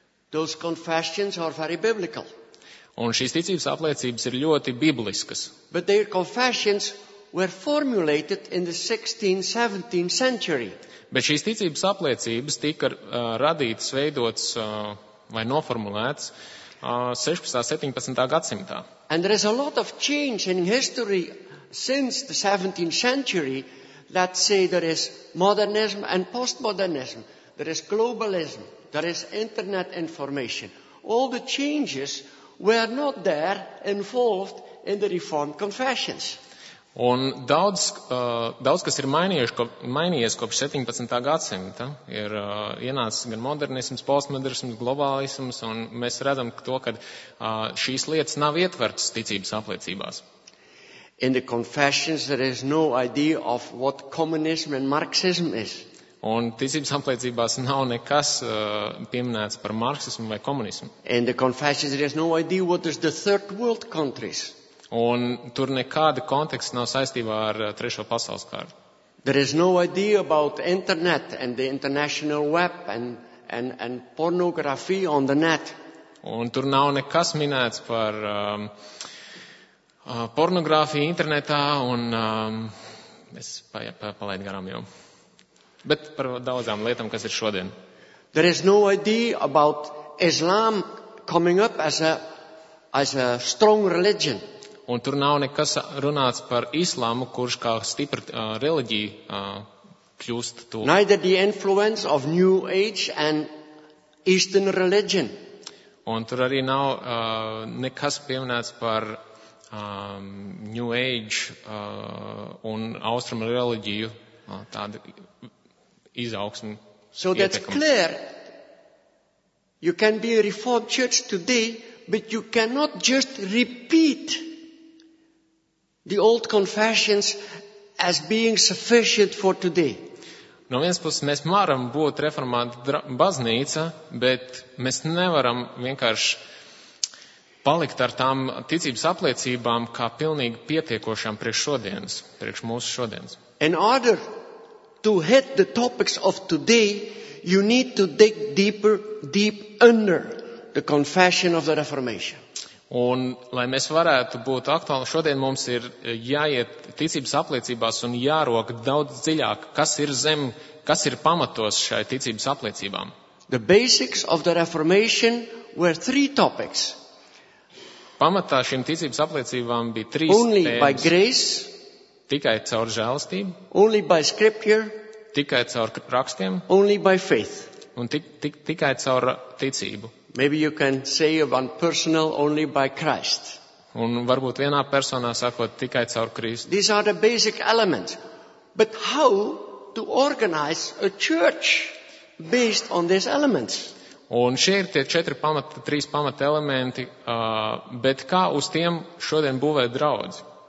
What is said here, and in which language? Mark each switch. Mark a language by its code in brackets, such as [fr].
[en] Those confessions are very biblical. [lv] Un šīs ticības apliecības ir ļoti bibliskas. [en] But their confessions were formulated in the 16th, 17th century. [lv] Bet šīs ticības apliecības tika radītas, veidotas vai noformulētas 16. 17. Gadsimtā. [en] And there is a lot of change in history since the 17th century. Let's say there is modernism and postmodernism. There is globalism. There is internet information. All the changes were not there involved in the Reformed confessions. [lv] Un daudz kas ir mainījies kopš 17. Gadsimta. Ir ienācis gan modernisms, postmodernisms, globālisms, un mēs redzam to, ka šīs lietas nav ietvertas ticības apliecībās. [en] In the confessions there is no idea of what communism and Marxism is. [lv] Un ticības apliecībās nav nekas pieminēts par marksismu vai komunismu. [en] In the confessions there is no idea what is the third world countries. [lv] Un tur nekāda konteksta nav saistībā ar trešo pasaules kārtu. [en] There is no idea about internet and the international web and pornography on the net. [lv] Un tur nav nekas minēts par pornogrāfiju internetā un es palaidu garām jau. Bet par daudzām lietām, kas ir šodien. [en] There is no idea about Islam coming up as a strong religion. [lv] Un tur nav nekas runāts par islāmu, kurš kā stipra reliģija kļūst to. [en] Neither the influence of New Age and Eastern religion. [lv] Un tur arī nav nekas pieminēts par New Age un austrumu reliģiju tādu izaugsmu ietekmi. [en] So that's clear. You can be a reformed church today, but you cannot just repeat the old confessions as being sufficient for today. [lv] No vienas puses mēs varam būt reformāta baznīca, bet mēs nevaram vienkārši palikt ar tām ticības apliecībām kā pilnīgi pietiekošām priekš šodienas, priekš mūsu šodienas. [en] In order to hit the topics of today, you need to dig deeper, deep under the confession of the Reformation. [lv] Un, lai mēs varētu būt aktuāli, šodien mums ir jāiet ticības apliecībās un jārok daudz dziļāk, kas ir zem, kas ir pamatos šai ticības apliecībām. [en] The basics of the Reformation were three topics. [lv] Pamatā šīm ticības apliecībām bija trīs [en] only [lv] tēmas. [en] By grace, [lv] tikai caur žēlstību. [en] Only by scripture, [lv] tikai caur rakstiem. [en] Only by faith. [lv] Un tikai caur ticību. [en] Maybe you can say one personal only by Christ. [lv] Un varbūt vienā personā sakot tikai caur Kristu. [en] These are the basic elements. But how to organize a church based on these elements? [lv] Un šie ir tie četri pamata, trīs pamata elementi, bet kā uz tiem šodien būvē draudz?